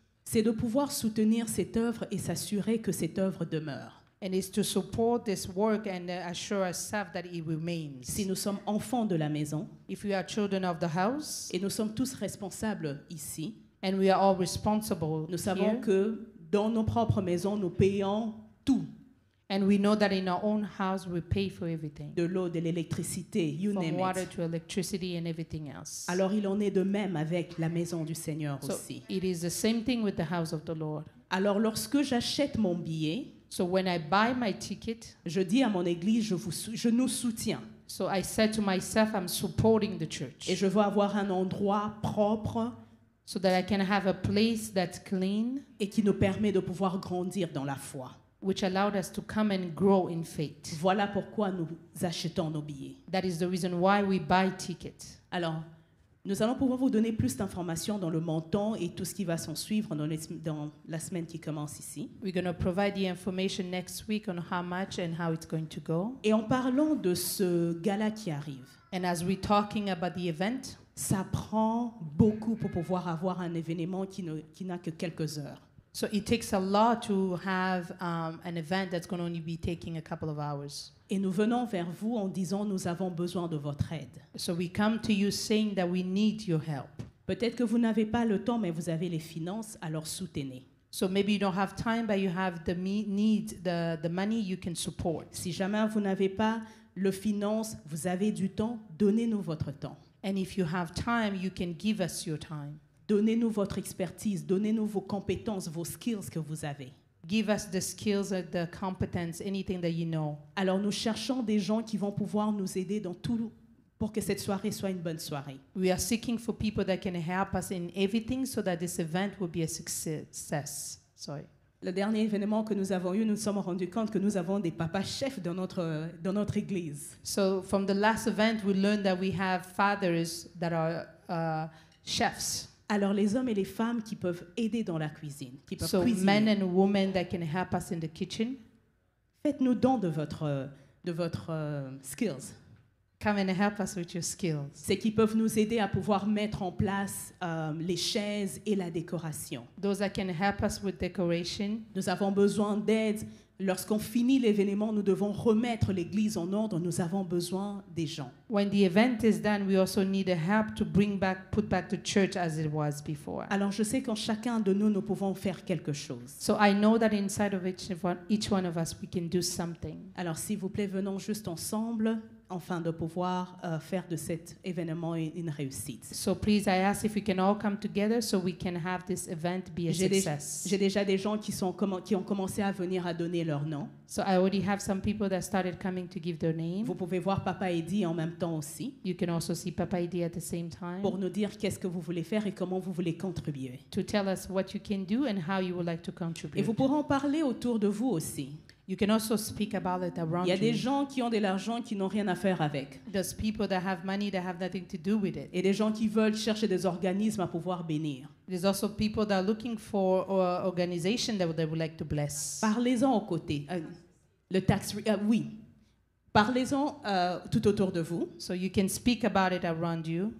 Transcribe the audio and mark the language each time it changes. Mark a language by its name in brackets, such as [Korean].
[French] C'est de pouvoir soutenir cette œuvre et s'assurer que cette œuvre demeure. [English] And is to support this work and assure ourselves that it remains. [French] Si nous sommes enfants de la maison, [English] if we are children of the house, [French] et nous sommes tous responsables ici, [English] and we are all responsible, [French] nous savons [English] here, [French] que dans nos propres maisons nous payons tout. [English] And we know that in our own house we pay for everything. [French] De l'eau, de l'électricité, [English] you from name it. From water to electricity and everything else. [French] Alors il en est de même avec la maison du Seigneur [English] so [French] aussi. [English] It is the same thing with the house of the Lord. [French] Alors lorsque j'achète mon billet. [English] So when I buy my ticket, [French] je dis à mon église, je nous soutiens. [English] So I said to myself, I'm supporting the church. [French] Et je veux avoir un endroit propre, [English] so that I can have a place that's clean, [French] et qui nous permet de pouvoir grandir dans la foi, [English] which allowed us to come and grow in faith. [French] Voilà pourquoi nous achetons nos billets. [English] That is the reason why we buy tickets. [French] Alors, nous allons pouvoir vous donner plus d'informations dans le montant et tout ce qui va s'en suivre dans la semaine qui commence ici. [English] We're going to provide the information next week on how much and how it's going to go. [French] Et en parlant de ce gala qui arrive, [English] and as we're talking about the event, [French] ça prend beaucoup pour pouvoir avoir un événement qui n'a que quelques heures. [English] So it takes a lot to have an event that's going to only be taking a couple of hours. [French] Et nous venons vers vous en disant nous avons besoin de votre aide. [English] So we come to you saying that we need your help. [French] Peut-être que vous n'avez pas le temps mais vous avez les finances, alors soutenez. [English] So maybe you don't have time but you have the need, the money you can support. [French] Si jamais vous n'avez pas le finance, vous avez du temps, donnez-nous votre temps. [English] And if you have time, you can give us your time. [French] Donnez-nous votre expertise, donnez-nous vos compétences, vos skills que vous avez. [English] Give us the skills, the competence, anything that you know. [French] Alors nous cherchons des gens qui vont pouvoir nous aider dans tout pour que cette soirée soit une bonne soirée. [English] We are seeking for people that can help us in everything so that this event will be a success. Sorry. [French] Le dernier événement que nous avons eu, nous sommes rendus compte que nous avons des papas chefs dans notre église. [English] So from the last event we learned that we have fathers that are chefs. [French] Alors les hommes et les femmes qui peuvent aider dans la cuisine, qui peuvent [English] so [French] cuisiner. [English] So men and women that can help us in the kitchen. [French] Faites-nous don de votre skills. [English] Come and help us with your skills. [French] C'est qui peuvent nous aider à pouvoir mettre en place les chaises et la décoration. [English] Those that can help us with decoration. [French] Nous avons besoin d'aide Lorsqu'on finit l'événement, nous devons remettre l'église en ordre. Nous avons besoin des gens. [English] When the event is done, we also need help to bring back, put back the church as it was before. [French] Alors, je sais qu'en chacun de nous, nous pouvons faire quelque chose. [English] So I know that inside of each one of us, we can do something. [French] Alors, s'il vous plaît, venons juste ensemble afin de pouvoir faire de cet événement une réussite. [English] So please, I ask if we can all come together so we can have this event be a success. [French] J'ai déjà des gens qui ont commencé à venir à donner leur nom. [English] So I already have some people that started coming to give their name. [French] Vous pouvez voir Papa Eddie en même temps aussi. [English] You can also see Papa Eddie at the same time. [French] Pour nous dire qu'est-ce que vous voulez faire et comment vous voulez contribuer. [English] To tell us what you can do and how you would like to contribute. [French] Et vous pourrez en parler autour de vous aussi. [English] You can also speak about it around [French] Il y a [English] you. [French] Des gens qui ont de l'argent qui n'ont rien à faire avec. [English] There's people that have money that have nothing to do with it. [French] Et des gens qui veulent chercher des organismes à pouvoir bénir. [English] There's also people that are looking for organization that they would like to bless. [French] Parlez-en aux côtés. Le tax oui. Parlez-en tout autour de vous. [English] So you can speak about it around you.